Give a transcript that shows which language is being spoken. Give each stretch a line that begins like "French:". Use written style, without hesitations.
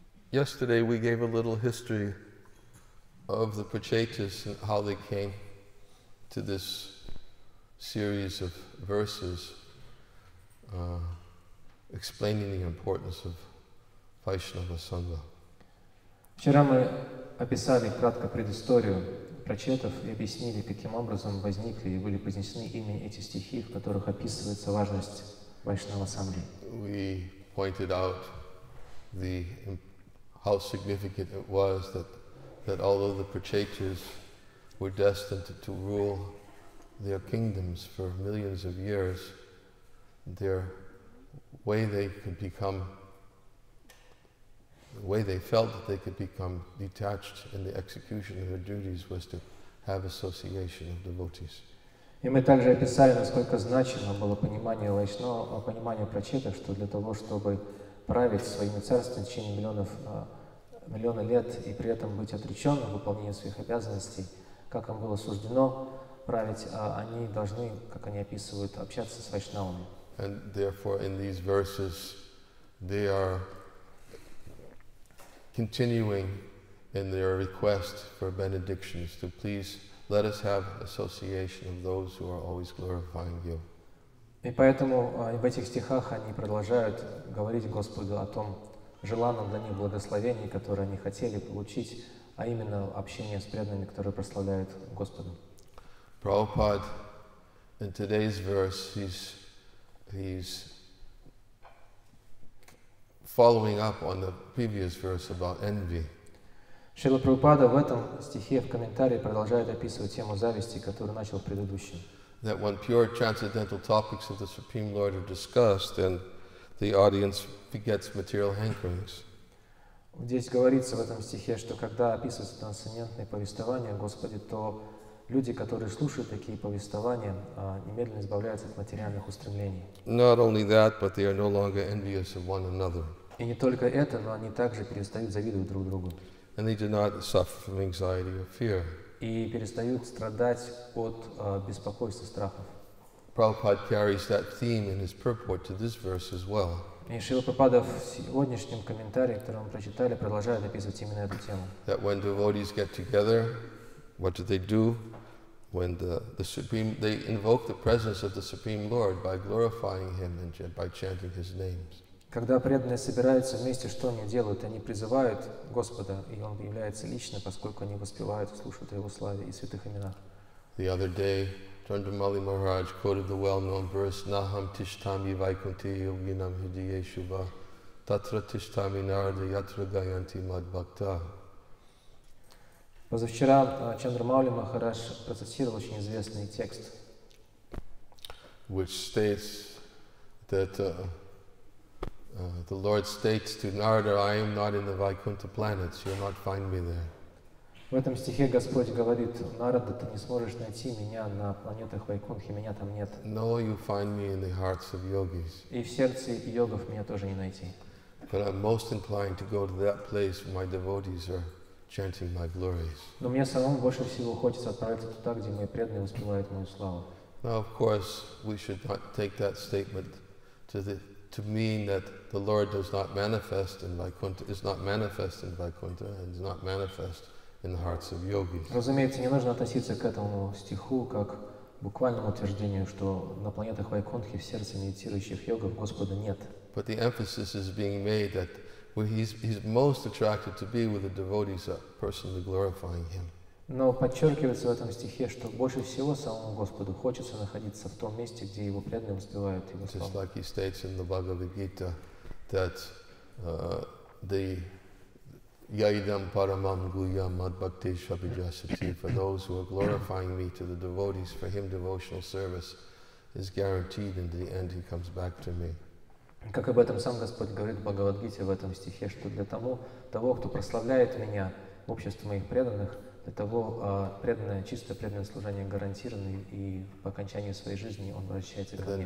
English: yesterday we gave a little history of the Prachetas and how they came to this series of verses explaining the importance of Vaishnava Sangha.
Russian: Вчера мы описали кратко предысторию Прачетов и объяснили, каким образом возникли и были произнесены именно эти стихи, в которых описывается важность Вайшнава Сангхи.
English: We pointed out the how significant it was that although the Prachetas were destined to rule their kingdoms for millions of years, the way they felt that they could become detached in the execution of their duties was to have association of devotees.
Russian: И мы также описали, насколько значимо было понимание Прачетов, что для того, чтобы править своими царствами в течение миллионы лет и при этом быть отреченным в выполнении своих обязанностей, как им было суждено править, а они должны, как они описывают, общаться с вайшнавами.
English: And therefore in these verses they are continuing in their request for benedictions to please let us have association of those who are always glorifying you.
Russian: И поэтому в этих стихах они продолжают говорить Господу о том, желанном для них благословении, которое они хотели получить, а именно общение с преданными, которые прославляют Господа.
English: Prabhupada in today's verse he's following up on the previous verse about envy.
Russian: Шрила Прабхупада в этом стихе в комментарии продолжает описывать тему зависти, которую начал в предыдущем.
English: That when pure transcendental topics of the Supreme Lord are discussed, then the audience forgets material hankerings.
Russian: Здесь говорится в этом стихе, что когда описывается трансцендентное повествование о Господе, то люди, которые слушают такие повествования, немедленно избавляются от материальных устремлений.
English: Not only that, but they are no longer envious of one another.
Russian: И не только это, но они также перестают завидовать друг другу.
English: And they do not suffer from anxiety or fear.
Russian: И перестают страдать от беспокойства, страхов.
English: Prabhupada carries that theme in his purport to this verse as well.
Russian: И Шрила Прабхупада в сегодняшнем комментарии, который мы прочитали, продолжает описывать именно эту тему.
English: That when devotees get together, what do? When the Supreme, they invoke the presence of the Supreme Lord by glorifying Him and by chanting His names.
Russian: Когда преданные собираются вместе, что они делают? Они призывают Господа, и Он является лично, поскольку они воспевают, слушают Его славе и святых именах.
English: The other day, Chandramali Maharaj quoted the well-known verse,
Sanskrit: Naham tishtami vaikunti yoginam hidiye shubha, tatra tishtami narada yatra gayanti madbhakta.
Russian: Позавчера Чандрамаули Махарадж процитировал очень известный текст,
English: which states that the Lord states to Narada, I am not in the Vaikuntha planets, you'll not find me there.
Russian: В этом стихе Господь говорит: Нарада, ты не сможешь найти меня на планетах Вайкунтхи, меня там нет.
English: No, you find me in the hearts of yogis.
Russian: И в сердце йогов меня тоже не найти.
English: But I'm most inclined to go to that place where my devotees are chanting my glories.
Russian: Но мне самому больше всего хочется отправиться туда, где мои преданные воспевают мою славу.
English: Now, of course, we should not take that statement to mean that the Lord does not manifest in Vaikuntha, is not manifest in Vaikuntha, and is not manifest in the hearts of yogis.
Russian: Разумеется, не нужно относиться к этому стиху как буквальному утверждению, что на планетах Вайкунтхи в сердце медитирующих йогов Господа нет.
English: But the emphasis is being made that where he's most attracted to be with the devotees are personally glorifying him.
Russian: Но подчеркивается в этом стихе, что больше всего самому Господу хочется находиться в том месте, где его преданные воспевают его славу.
English: Just like he states in the Bhagavad Gita that the
Sanskrit: yaidam paramam guyam madbhaktesha bijasati,
English: for those who are glorifying me to the devotees, for him devotional service is guaranteed, in the end he comes back to me.
Russian: Как об этом сам Господь говорит в Бхагавадгите, в этом стихе, что для того, кто прославляет меня в обществе моих преданных, для того преданное, чистое преданное служение гарантировано, и по окончании своей жизни он возвращается ко мне.